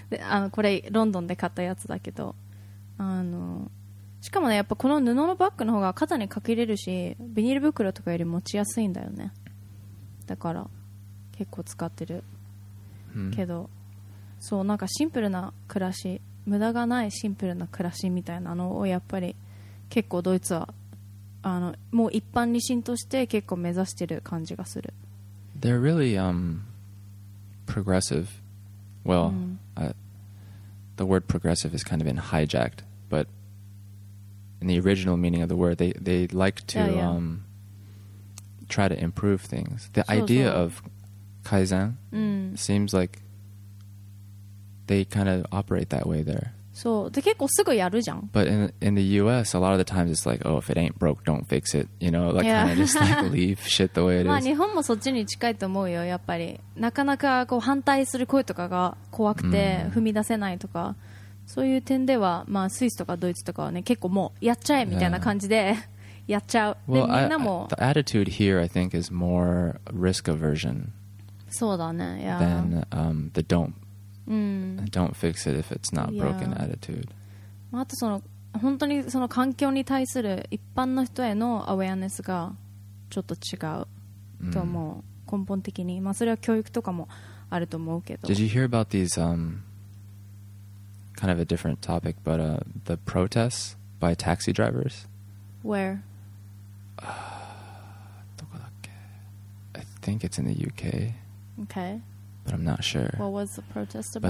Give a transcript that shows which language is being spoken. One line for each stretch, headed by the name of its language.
Japanese: あのこれロンドンで買ったやつだけど、あのしかもねやっぱこの布のバッグの方が肩にかけれるしビニール袋とかより持ちやすいんだよね、だから結構使ってる、 hmm. けどそうなんかシンプルな暮らし無駄がないシンプルな暮らしみたいなのをやっぱり結構ドイツはあのもう一般に浸透して結構目指してる感じがする。
English: They're really progressive. Well、the word progressive is kind of been hijacked, but in the original meaning of the word they like to yeah, yeah. Try to improve things. The
Japanese: そうそう
English: idea ofKaizen、seems like they kind of operate that way there.
Japanese: そう、で結構すぐやるじゃん。
English: But in the US, a lot of the times it's like, oh, if it ain't broke, don't fix it. You know, like、yeah. kind of just like leave shit the way it is.
Japanese: まあ日本もそっちに近いと思うよ。やっぱりなかなかこう反対する声とかが怖くて踏み出せないとか、そういう点ではまあスイスとかドイツとかはね結構もうやっちゃえみたいな感じで、yeah. やっちゃう。
English: Well,
Japanese: でみんなも
English: the attitude here, I think, is more risk aversion.
Japanese: そうだね、yeah.
English: Then the don't fix it if it's not broken、yeah. attitude、
Japanese: まあ、あとその本当にその環境に対する一般の人へのアウェアネスがちょっと違うと思う、根本的に、まあ、それは教育とかもあると思うけど。
English: Did you hear about these kind of a different topic but the protests by taxi drivers? Where?
Japanese: どこだっけ?
English: I think it's in the UK. Okay. But I'm not sure. What was the protest about?